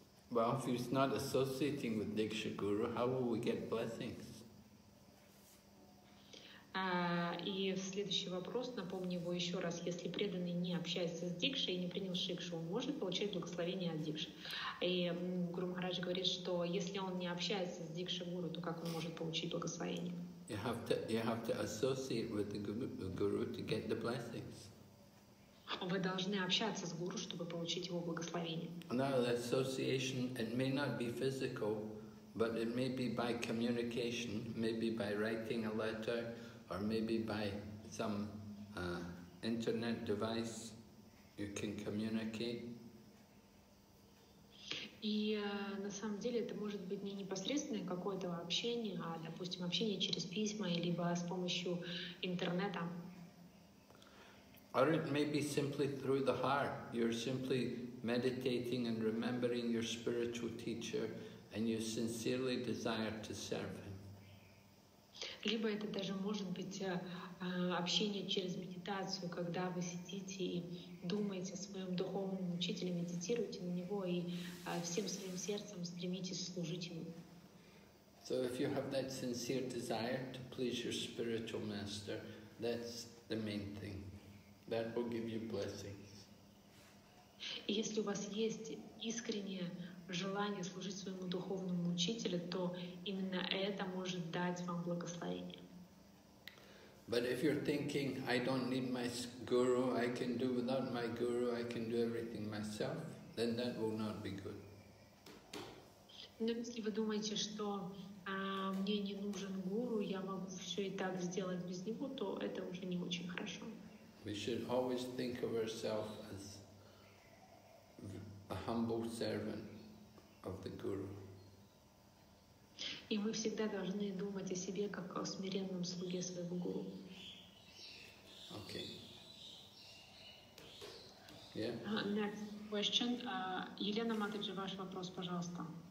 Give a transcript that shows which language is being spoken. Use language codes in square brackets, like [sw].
[en] Well, if he's not associating with Diksha Guru, how will we get blessings? [ru] И следующий вопрос, напомню его еще раз, если преданный не общается с дикшей и не принял шикшу, он может получать благословение от дикши? И Гуру Махарадж говорит, что если он не общается с дикшей гуру, то как он может получить благословение? [en] You have to associate with the guru to get the blessings. [ru] Вы должны общаться с гуру, чтобы получить его благословение. [en] Now the association, it may not be physical, but it may be by communication, maybe by writing a letter, or maybe by some internet device, you can communicate. [ru] И на самом деле это может быть не непосредственное какое-то общение, а, допустим, общение через письма либо с помощью интернета. [en] Or it may be simply through the heart. You're simply meditating and remembering your spiritual teacher, and you sincerely desire to serve him. [ru] Либо это даже может быть общение через медитацию, когда вы сидите и думаете о своем духовном учителе, медитируете на него и всем своим сердцем стремитесь служить ему. [en] So if you have that sincere desire to please your spiritual master, that's the main thing. That will give you blessings. [ru] Если у вас есть искреннее желание служить своему духовному учителю, то именно это может дать вам благословение. [en] But if you're thinking, I don't need my guru, I can do without my guru, I can do everything myself, then that will not be good. [ru] Но если вы думаете, что мне не нужен гуру, я могу все и так сделать без него, то это уже не очень хорошо. [en] We should always think of ourselves as a humble servant of the guru. [ru] И мы всегда должны думать о себе как о смиренном слуге своего гуру. [en] Okay. Yeah. Next question. [ru] Елена Матаджи, ваш вопрос, пожалуйста.